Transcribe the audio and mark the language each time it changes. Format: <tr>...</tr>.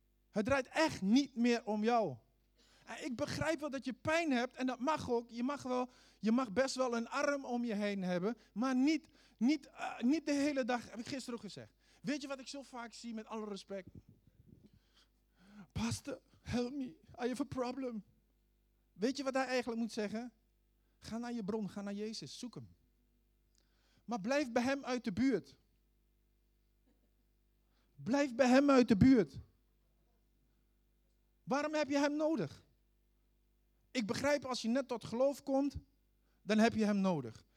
<nl>Het draait echt niet meer om jou. Ik begrijp wel dat je pijn hebt en dat mag ook. Je mag best wel een arm om je heen hebben, maar niet de hele dag, heb ik gisteren ook gezegd. Weet je wat ik zo vaak zie, met alle respect?</nl> <en>Pastor, help me, I have a problem.</en> <nl>Weet je wat hij eigenlijk moet zeggen? Ga naar je bron, ga naar Jezus, zoek hem. Maar blijf bij hem uit de buurt. Blijf bij hem uit de buurt. Waarom heb je hem nodig? Ik begrijp, als je net tot geloof komt, dan heb je hem nodig.</nl>